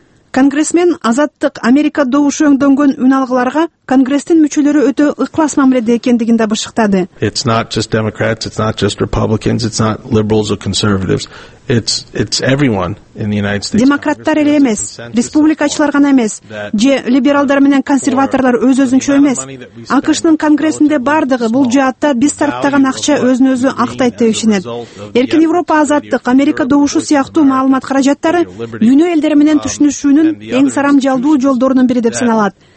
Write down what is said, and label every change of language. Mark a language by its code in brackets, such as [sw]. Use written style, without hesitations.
[ky] Конгрессмен Азаттык Америка добушу өңдөнгөн үн алгыларга конгресстин мүчөлөрү өтө ыклас мамиледе экендигин да бышыктады. [en] It's not just Democrats, it's not just Republicans, it's not liberals or conservatives. It's everyone in the United States. [ky] Демократтар эле эмес, республикачылар гана эмес, же либералдар менен консерваторлор өз-өзүнчө эмес. АКШнын конгрессинде бардыгы бул жаатта биз тарттаган акча өзүн-өзү актайт деп ишенет. Эркин Европа, Азаттык Америка добушу сыяктуу маалымат каражаттары дүйнө элдери менен түшүнүшүүнүн эң сарамжалдуу жолдорунун бири деп саналат.